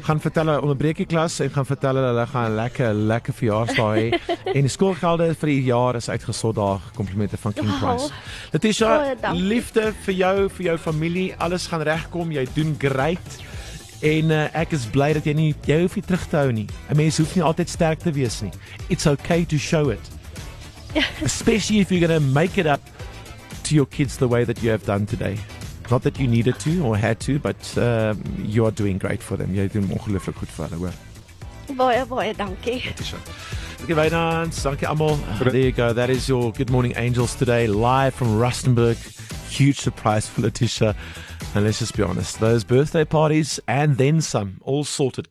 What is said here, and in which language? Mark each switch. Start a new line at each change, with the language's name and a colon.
Afrikaans: Gaan vertel hulle, onderbreek die klas en gaan vertel hulle, hulle gaan lekker verjaarsdag hê. En die skoolgelde vir die jaar is uitgesort daar, komplimente van King Price. Letitia, liefde vir jou familie, alles gaan regkom, jy doen great. En ek is bly dat jy nie, jy hoef nie terug te hou nie. Een mens hoef nie altyd sterk te wees nie.
English: It's okay to show it. Especially if you're going to make it up to your kids the way that you have done today. Not that you needed to or had to, but you are doing great for them.
Afrikaans: Jy doen ongelooflik goed vir hulle, hoor. Baie, dankie. Dankie, Wijnans. Dankie, Amal.
English: There you go. That is your Good Morning Angels today, live from Rustenburg. Huge surprise for Letitia. And let's just be honest, those birthday parties and then some, all sorted.